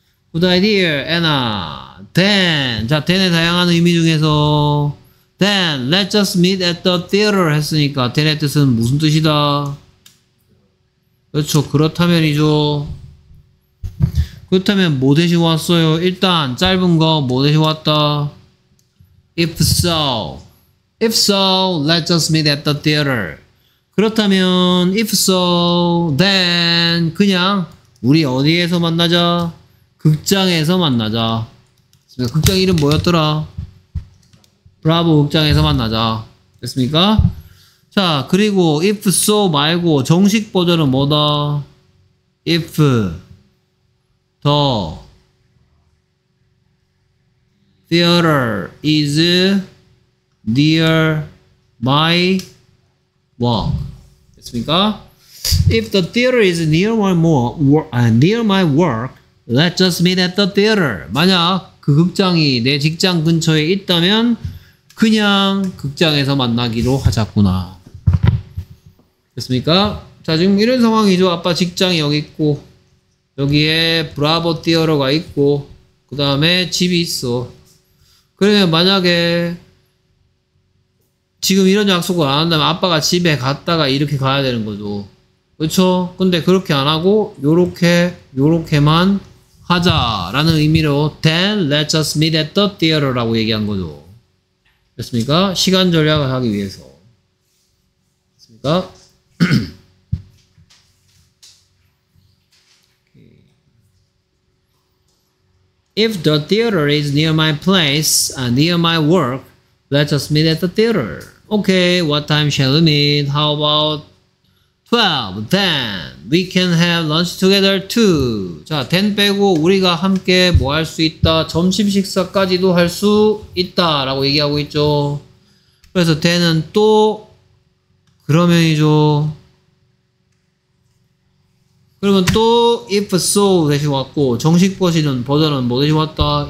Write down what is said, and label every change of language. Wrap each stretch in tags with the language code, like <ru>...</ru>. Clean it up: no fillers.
<en>Good idea, Anna. Then, 자, then의</en> <ko>다양한 의미 중에서</ko> <en>then, let's just meet at the theater</en> <ko>했으니까 then의 뜻은 무슨 뜻이다? 그렇죠, 그렇다면이죠. 그렇다면 뭐 대신 왔어요? 일단 짧은 거 뭐 대신 왔다?</ko> <en>If so, let's just meet at the theater.</en> <ko>그렇다면</ko> <en>if so, then</en> <ko>그냥 우리 어디에서 만나자? 극장에서 만나자. 극장 이름 뭐였더라? 브라보 극장에서 만나자. 됐습니까? 자, 그리고 if so 말고 정식 버전은 뭐다?</ko> <en>If the theater is near my work.</en> <ko>됐습니까?</ko> <en>If the theater is near my work, let's just meet at the theater.</en> <ko>만약 그 극장이 내 직장 근처에 있다면 그냥 극장에서 만나기로 하자꾸나. 됐습니까? 자, 지금 이런 상황이죠. 아빠 직장이 여기 있고 여기에 브라보 티어러가 있고 그 다음에 집이 있어. 그러면 만약에 지금 이런 약속을 안 한다면 아빠가 집에 갔다가 이렇게 가야 되는 거죠. 그렇죠? 근데 그렇게 안 하고 요렇게만 하자 라는 의미로</ko> <en>then let's just meet at the theater</en> <ko>라고 얘기한 거죠. 됐습니까? 시간 절약을 하기 위해서. 됐습니까? 오케이.</ko> <en>If the theater is near my place, near my work, let's just meet at the theater. Okay, what time shall we meet? How about 12, then we can have lunch together too.</en> <ko>자, then 빼고 우리가 함께 뭐 할 수 있다? 점심 식사까지도 할 수 있다 라고 얘기하고 있죠. 그래서 then은 또 그러면이죠. 그러면 또 if so 대신 왔고 정식 버전은 뭐 대신 왔다?</ko>